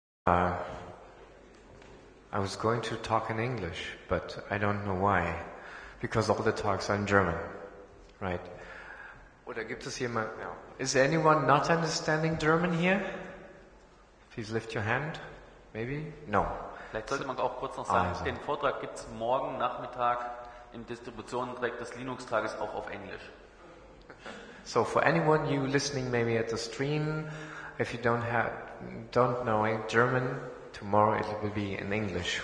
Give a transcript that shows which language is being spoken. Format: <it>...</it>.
<en>I was going to talk in English, but I don't know why, because all the talks are in German, right?</en> <de>Oder gibt es jemand?</de> <en>No. Is anyone not understanding German here? Please lift your hand. Maybe? No.</en> <de>Vielleicht sollte man auch kurz noch sagen, also, den Vortrag gibt es morgen Nachmittag im Distributionsdirekt des Linux-Tages auch auf Englisch.</de> <en>So for anyone you listening maybe at the stream, if you don't know German, tomorrow it will be in English.</en>